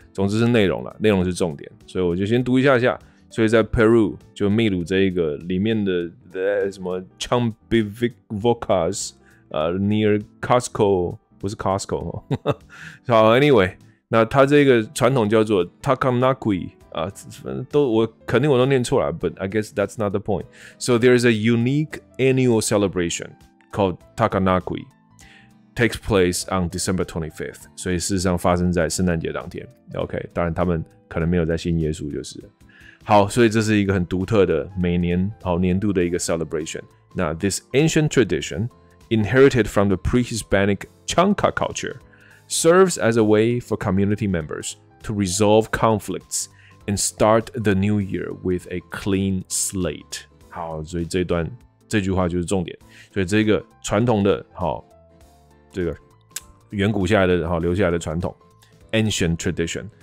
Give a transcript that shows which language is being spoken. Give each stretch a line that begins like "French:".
Chinese: 总之是内容了，内容是重点，所以我就先读一下下。所以在 Peru 就秘鲁这一个里面的什么 Chumbivilcas， near Costco， 不是 Costco 哦。好 ，Anyway， 那他这个传统叫做 Takamnakui。
English: But I guess that's not the point. So there is a unique annual celebration called Takanakui. Takes place on December 25th.
Chinese: 所以事实上发生在圣诞节当天。OK， 当然他们可能没有在信耶稣，就是好。所以这是一个很独特的每年好年度的一个 celebration.
English: 那 this ancient tradition, inherited from the pre-Hispanic Chanka culture, serves as a way for community members to resolve conflicts. And start the new year with a clean slate.
Chinese: 好，所以这段这句话就是重点。所以这个传统的，好，这个远古下来的，好，留下来的传统 ，ancient tradition.